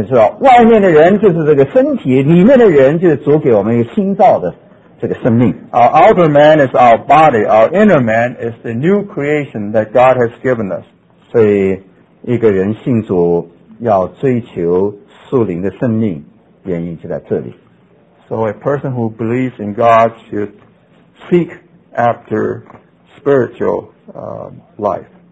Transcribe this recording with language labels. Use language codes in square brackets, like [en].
[zh] 那是外面的人就是这个身体，里面的人就是主给我们一个新造的。这个生命 [en] Our outer man is our body. Our inner man is the new creation that God has given us. [zh] 所以一个人信主要追求属灵的生命，原因就在这里。 [en] So a person who believes in God should seek after spiritual life.